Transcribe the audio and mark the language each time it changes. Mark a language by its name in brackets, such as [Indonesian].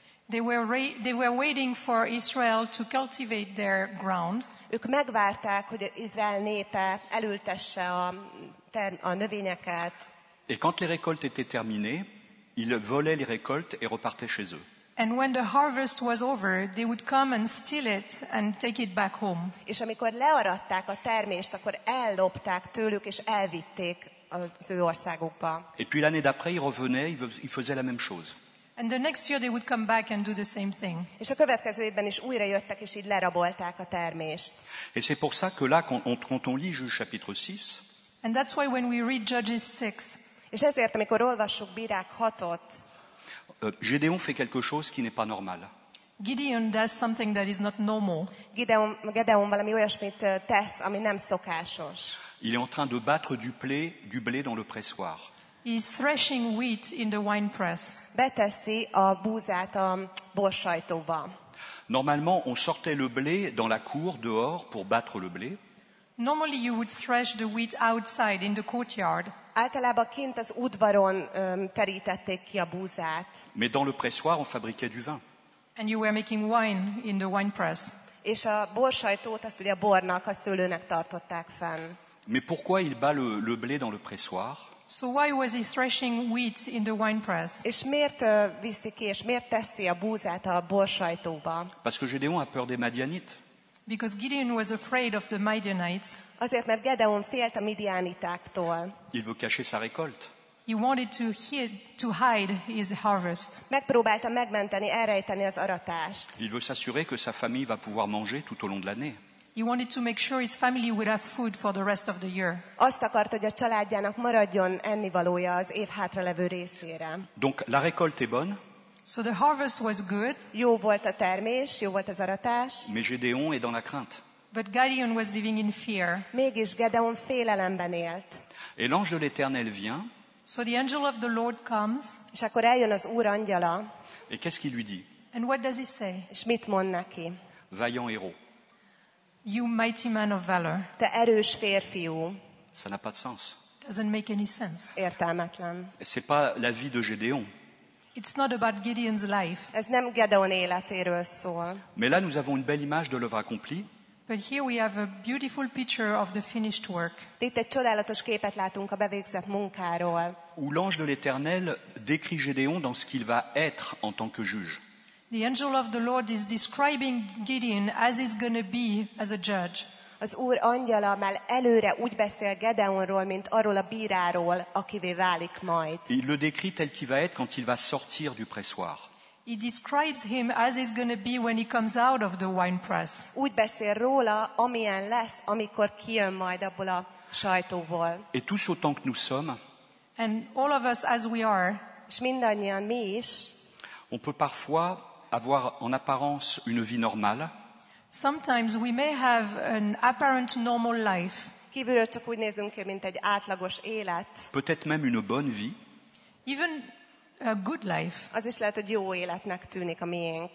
[English] They were waiting for Israel to cultivate their ground. [Hungarian] Ők megvárták, hogy Izrael népe elültesse a növényeket. [French] Et quand les récoltes étaient terminées, ils volaient les récoltes et repartaient chez eux. [English] And when the harvest was over, they would come and steal it and take it back home. [Hungarian] És amikor learatták a termést, akkor ellopták tőlük és elvitték az ő országukba. [French] Et puis l'année d'après, ils revenaient, ils faisaient la même chose. [English] And the next year they would come back and do the same thing. [Hungarian] És a következő évben is újra jöttek és így lerabolták a termést. [French] Et c'est pour ça que là, quand on lit Juges chapitre 6, [English] and that's why when we read Judges 6, [Hungarian] és ezért, amikor olvassuk Bírák 6-ot, [French] Gédéon fait quelque chose qui n'est pas normal. [English] Gideon does something that is not normal. [Hungarian] Gideon valami olyasmit tesz, ami nem szokásos. [French] Il est en train de battre du blé dans le pressoir. [English] He is threshing wheat in the wine press. [Hungarian] Beteszi a búzát a borsajtóba. [French] Normalement, on sortait le blé dans la cour dehors pour battre le blé. [English] Normally you would thresh the wheat outside in the courtyard. [Hungarian] Általában kint az udvaron terítették ki a búzát. [French] Mais dans le pressoir on fabriquait du vin. [English] And you were making wine in the wine press. [Hungarian] És a borsajtót azt ugye a bornak, a szőlőnek tartották fenn. [French] Mais pourquoi il bat le blé dans le pressoir? [English] So why was he threshing wheat in the wine press? [Hungarian] És miért viszi ki, és miért teszi a búzát a borsajtóba? [French] Parce que Gédéon a peur des Madianites. [English] Because Gideon was afraid of the Midianites. [Hungarian] Azért, mert Gedeon félt a midianitáktól. [French] Il veut cacher sa récolte. [English] He wanted to hide his harvest. [Hungarian] Megpróbálta megmenteni, elrejteni az aratást. [French] Il veut s'assurer que sa famille va pouvoir manger tout au long de l'année. [English] He wanted to make sure his family would have food for the rest of the year. [Hungarian] Azt akart, hogy a családjának maradjon ennivalója az év hátralevő részére. [French] Donc la récolte est bonne. [English] So the harvest was good. [Hungarian] Jó volt a termés, jó volt az aratás. [French] Mais Gédéon est dans la crainte. [English] But Gideon was living in fear. [Hungarian] Mégis Gédéon félelemben élt. [French] Et l'ange de l'Éternel vient. [English] So the angel of the Lord comes. [Hungarian] És akkor eljön az Úr angyala. [French] Et qu'est-ce qu'il lui dit? [English] And what does he say? [Hungarian] És mit mond neki? [French] Vaillant héros. [English] You mighty man of valor. [Hungarian] Te erős férfiú. [French] Ça n'a pas de sens. [English] Doesn't make any sense. [Hungarian] Értelmetlen. [French] C'est pas la vie de Gédéon. [English] It's not about Gideon's life. [Hungarian] Ez nem Gedeon életéről szól. [French] Mais là nous avons une belle image de l'œuvre accomplie. [English] But here we have a beautiful picture of the finished work. [Hungarian] Itt egy csodálatos képet látunk a bevégzett munkáról. [French] Où l'ange de l'Éternel décrit Gédéon dans ce qu'il va être en tant que juge. [English] The angel of the Lord is describing Gideon as he's going to be as a judge. [Hungarian] Az Úr angyala már előre úgy beszél Gedeonról, mint arról a bíráról, akivé válik majd. [French] Il le décrit tel qu'il va être quand il va sortir du pressoir. [English] He describes him as he's going to be when he comes out of the wine press. [Hungarian] Úgy beszél róla, amilyen lesz, amikor kijön majd abból a sajtóból. [French] Et tous autant que nous sommes. [English] And all of us as we are. [Hungarian] És mindannyian mi is. [French] On peut parfois avoir en apparence une vie normale. [English] Sometimes we may have an apparent normal life. [Hungarian] Kívülről csak úgy nézünk ki, mint egy átlagos élet. [French] Peut-être même une bonne vie. [English] Even a good life. [Hungarian] Az is lehet, hogy jó életnek tűnik a miénk.